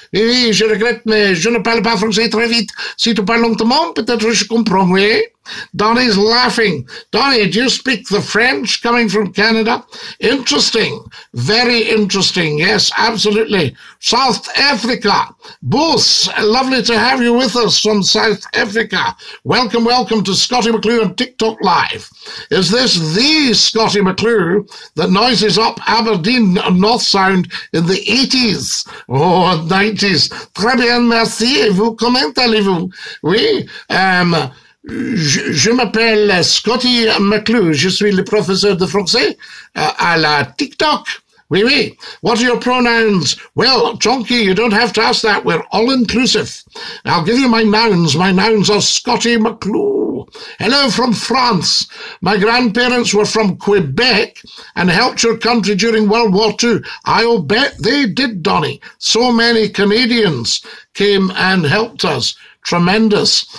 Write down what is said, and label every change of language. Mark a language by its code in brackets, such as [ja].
[fr] Oui, je regrette, mais je ne parle pas français très vite. Si tu parles longtemps, peut-être je comprends, oui. [en] Donnie's laughing. Donnie, do you speak the French coming from Canada? Interesting. Very interesting. Yes, absolutely. South Africa. Booth, lovely to have you with us from South Africa. Welcome, welcome to Scotty McClure on TikTok Live. Is this the Scotty McClure that noises up Aberdeen North Sound in the 80s? Oh, 90s. [fr] Très bien, merci. Vous, comment allez-vous? Oui, Je m'appelle Scotty McClure. Je suis le professeur de français à la TikTok. Oui, oui. [en] What are your pronouns? Well, Chonky, you don't have to ask that. We're all inclusive. I'll give you my nouns. My nouns are Scotty McClure. Hello from France. My grandparents were from Quebec and helped your country during World War II. I'll bet they did, Donnie. So many Canadians came and helped us. Tremendous.